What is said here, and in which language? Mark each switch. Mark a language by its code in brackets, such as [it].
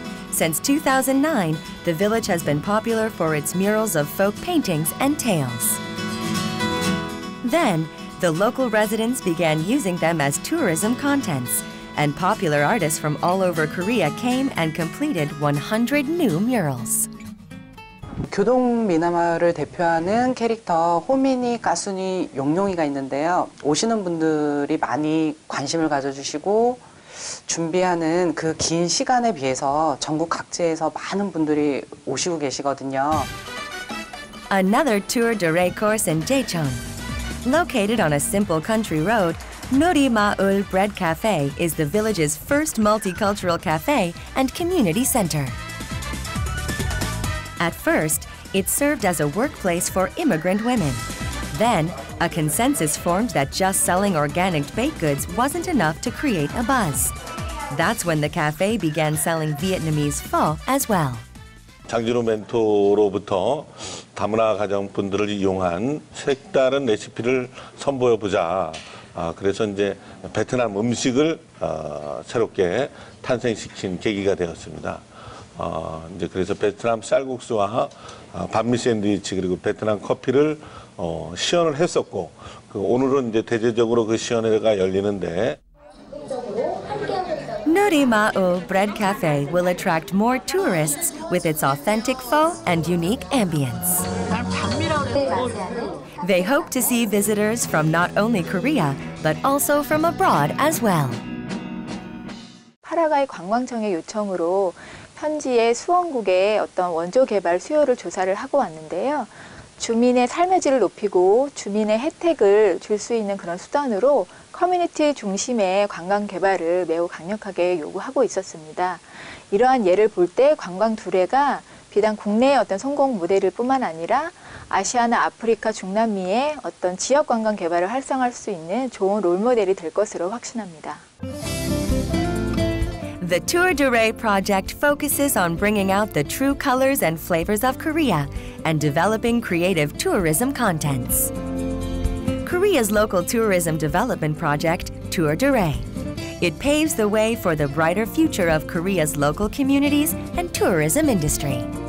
[en] Since 2009, the village has been popular for its murals of folk paintings and tales. Then, the local residents began using them as tourism contents, and popular artists from all over Korea came and completed 100 new murals. [ko] 교동 미나마을을 대표하는 캐릭터 호미니, 가순이, 용용이가 있는데요. 오시는 분들이 많이 관심을 가져주시고 준비하는 그 긴 시간에 비해서 전국 각지에서 많은 분들이 오시고 계시거든요. [en] Another Tour Dure course in Jecheon. Located on a simple country road, Nori Maul Bread Cafe is the village's first multicultural cafe and community center. At first, it served as a workplace for immigrant women. Then, a consensus formed that just selling organic baked goods wasn't enough to create a buzz. That's when the cafe began selling Vietnamese pho as well. [ko] 장진우 멘토로부터 다문화 가정분들을 이용한 색다른 레시피를 선보여 보자. 그래서 이제 베트남 음식을 새롭게 탄생시킨 계기가 되었습니다. 이제 그래서 베트남 쌀국수와 반미 샌드위치 그리고 베트남 커피를 시연을 했었고 오늘은 이제 대대적으로 그 시연회가 열리는데 [en] Nuri Maul Bread Cafe will attract more tourists with its authentic pho and unique ambience. They hope to see visitors from not only Korea, but also from abroad as well. [ko] 파라과이 관광청의 요청으로 현지의 수원국의 어떤 원조 개발 수요를 조사를 하고 왔는데요. 주민의 삶의 질을 높이고 주민의 혜택을 줄 수 있는 그런 수단으로 커뮤니티 중심의 관광 개발을 매우 강력하게 요구하고 있었습니다. 이러한 예를 볼 때 관광 두레가 비단 국내의 어떤 성공 모델일 뿐만 아니라 아시아나 아프리카 중남미의 어떤 지역 관광 개발을 활성화할 수 있는 좋은 롤모델이 될 것으로 확신합니다. [en] The Tour Dure project focuses on bringing out the true colors and flavors of Korea and developing creative tourism contents. Korea's local tourism development project, Tour Dure. It paves the way for the brighter future of Korea's local communities and tourism industry.